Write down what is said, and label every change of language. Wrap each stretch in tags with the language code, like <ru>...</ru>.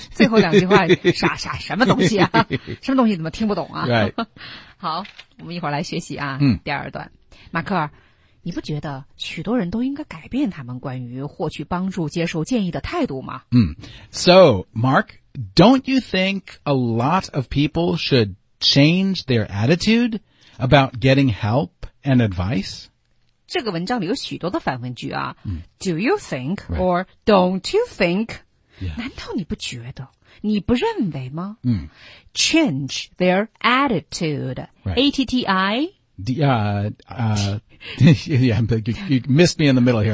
<zh>最后两句话啥什么东西啊？什么东西怎么听不懂啊？</zh> <en>Right.</en> <zh>好，我们一会儿来学习啊。第二段，马克尔。你不觉得许多人都应该改变他们关于获取帮助、接受建议的态度吗？</zh> <en>So, Mark, don't you think a lot of people should change their attitude about getting help and advice?</en> <zh>这个文章里有许多的反问句啊。</zh> <en>Do you think or don't you think? Yeah.</en> <zh>难道你不觉得？你不认为吗？</zh> <en>Change their attitude. A-T-T-I. you missed me in the middle here.</en>